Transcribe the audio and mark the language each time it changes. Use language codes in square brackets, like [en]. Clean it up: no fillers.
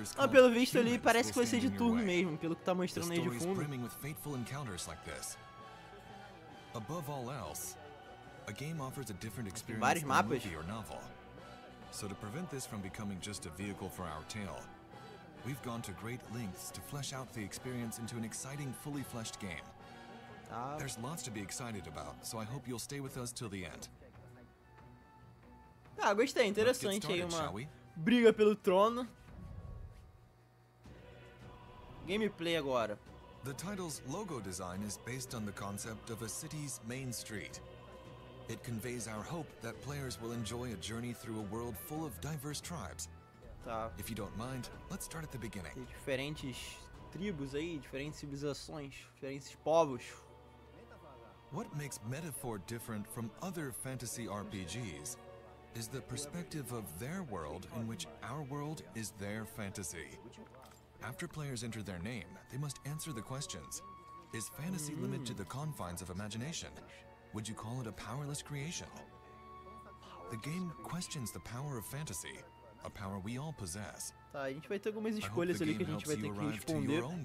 [pt] Pelo visto ali, parece que vai ser de turno mesmo, pelo que tá mostrando aí de fundo. Tem vários mapas. [en] So to prevent this from becoming just a vehicle for our tale, we've gone to great lengths to flesh out the experience into an exciting, fully fleshed game. There's lots to be excited about, so I hope you'll stay with us till the end. [pt] Tá, gostei, interessante aí, uma briga pelo trono. Gameplay agora. [en] The title's logo design is based on the concept of a city's main street. It conveys our hope that players will enjoy a journey through a world full of diverse tribes. [pt] Tá. [en] If you don't mind, let's start at the beginning. [pt] Tem diferentes tribos aí, diferentes civilizações, diferentes povos. [en] What makes Metaphor different from other fantasy RPGs is the perspective of their world in which our world is their fantasy. After players enter their name, they must answer the questions. Is fantasy limited to the confines of imagination? Would you call it a powerless creation? The game questions the power of fantasy, a power we all possess. [pt] Tá, a gente vai ter algumas escolhas ali que a gente vai ter que responder.